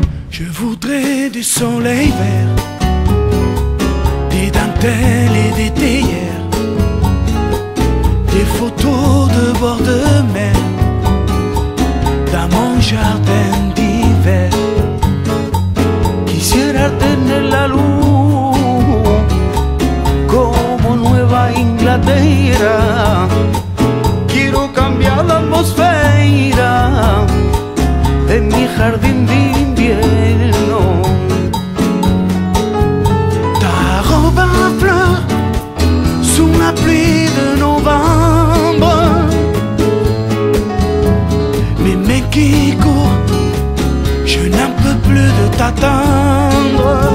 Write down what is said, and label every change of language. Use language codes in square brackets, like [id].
[fr] Je voudrais du soleil vert, des dentelles et des théières, des photos de bord de mer, dans mon jardin d'hiver. [es] Quisiera tener la luz como Nueva Inglaterra. Quiero cambiar la atmósfera de mi jardín de invierno. [fr] Ta robe à fleurs sous la pluie de novembre, mes mains qui courent, je n'en peux plus de t'attendre.